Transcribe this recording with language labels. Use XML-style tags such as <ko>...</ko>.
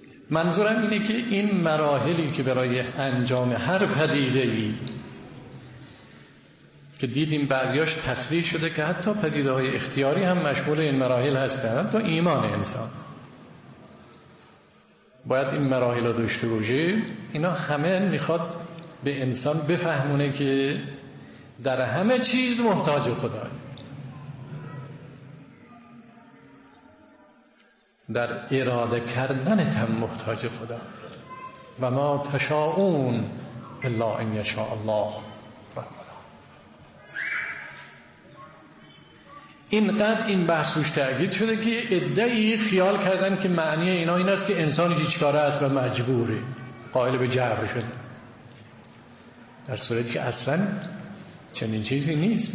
<fa>منظورم اینه که این مراحلی که برای انجام هر پدیده‌ای که دیدیم بعضیاش تصریح شده که حتی پدیده‌های اختیاری هم مشمول این مراحل هستند، حتی ایمان انسان باید این مراحل رو داشته باشه. اینا همه میخواد به انسان بفهمونه که در همه چیز محتاج خدایی. در اراده کردن تم محتاج خدا.</fa> <ar>و ما تشاؤون الا ان یشاء الله.</ar> <fa>اینقدر این بحث روش تأکید شده که عده‌ای خیال کردن که معنی اینا این است که انسان هیچ کاره است و مجبوره، قائل به جبر شده، در صورتی که اصلا چنین چیزی نیست.</fa>